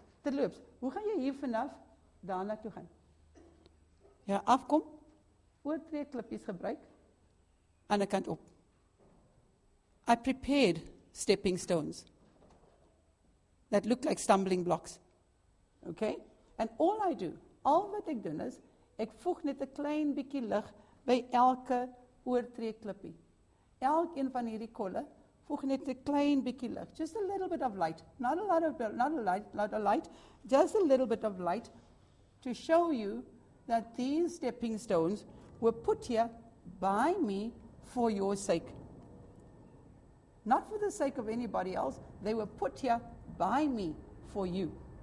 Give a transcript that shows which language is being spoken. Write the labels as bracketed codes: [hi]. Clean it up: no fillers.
[af] Terloops, hoe gaan jy hier vanaf daarna toe gaan? Ja, afkom, oor 2 klippies gebruik, aan die kant op. [en] I prepared stepping stones that look like stumbling blocks. Okay? And all I do, [af] al wat ek doen is, ek voeg net 'n klein bietjie lig by elke oortree klippie. Elkeen van hierdie kolle voeg net 'n klein bietjie lig. [en] Just a little bit of light. Not a lot of light. Just a little bit of light to show you that these stepping stones were put here by me for your sake. Not for the sake of anybody else. They were put here by me for you.